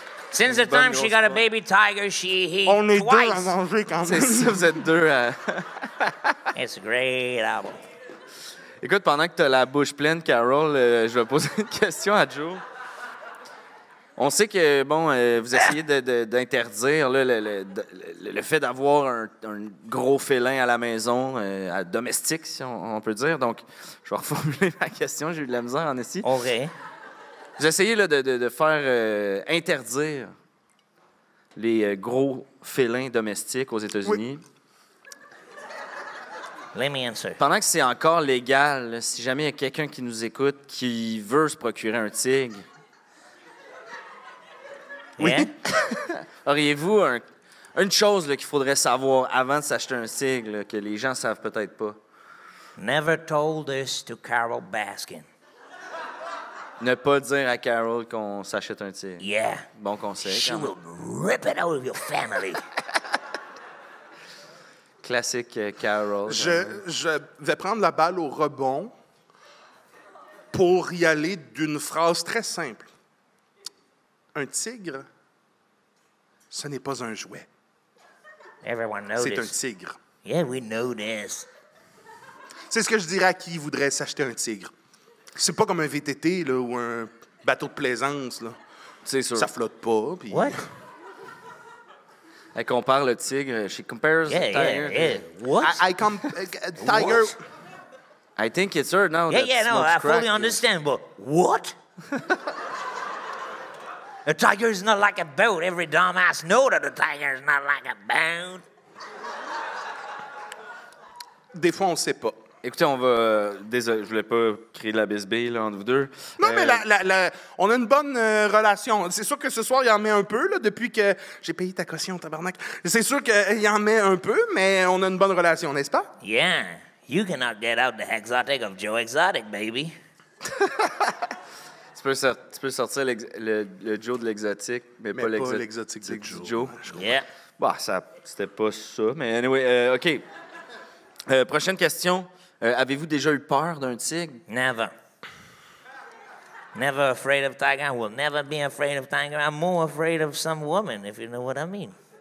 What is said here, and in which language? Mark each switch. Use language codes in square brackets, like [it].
[en] Since the time she got a baby tiger, she eats twice. [fr] On est deux à manger quand même. C'est ça, vous êtes deux. [en] It's a great album. [fr] Écoute, pendant que tu as la bouche pleine, Carol, je vais poser une question à Joe. On sait que, bon, vous essayez d'interdire là, le fait d'avoir un gros félin à la maison, à domestique, si on peut dire. Donc, je vais reformuler ma question, j'ai eu de la misère en ici. On rit. Vous essayez là, de faire interdire les gros félins domestiques aux États-Unis. Oui. [en] Let me answer. [fr] Pendant que c'est encore légal, là, si jamais il y a quelqu'un qui nous écoute qui veut se procurer un tigre, oui. Auriez-vous une chose là, qu'il faudrait savoir avant de s'acheter un tigre que les gens savent peut-être pas? [en] Never told this to Carol Baskin. [fr] Ne pas dire à Carol qu'on s'achète un tigre. [en] Yeah. [fr] Bon conseil. [en] She will rip it out of your family. [fr] Classique Carol. Je vais prendre la balle au rebond pour y aller d'une phrase très simple. Un tigre, ce n'est pas un jouet. [en] Everyone knows. [fr] C'est un tigre. [en] Yeah, we know this. [fr] C'est ce que je dirais à qui voudrait s'acheter un tigre. C'est pas comme un VTT là, ou un bateau de plaisance. Là. C'est sûr. Ça flotte pas. Pis... [en] What? [fr] Elle compare le tigre. [en] She compares yeah, the tiger. What? Tiger. I think it's her now. Yeah, yeah, no, I fully understand, but what? A tiger is not like a boat. Every dumbass know that a tiger is not like a boat. [fr] Des fois, on sait pas. Écoutez, on va... Désolé, je voulais pas créer de la bisbille là, entre vous deux. Non, mais on a une bonne relation. C'est sûr que ce soir, il en met un peu, là, depuis que... J'ai payé ta caution, tabarnak. C'est sûr qu'il en met un peu, mais on a une bonne relation, n'est-ce pas? [en] Yeah. You cannot get out the exotic of Joe Exotic, baby. [fr] tu peux sortir le Joe de l'exotique, mais pas l'exotique de Joe. [en] Yeah. [fr] Bon, ça, c'était pas ça, mais anyway, OK. Prochaine question. Avez-vous déjà eu peur d'un tigre? [en] Never. Never afraid of tiger. I will never be afraid of tiger. I'm more afraid of some woman, if you know what I mean.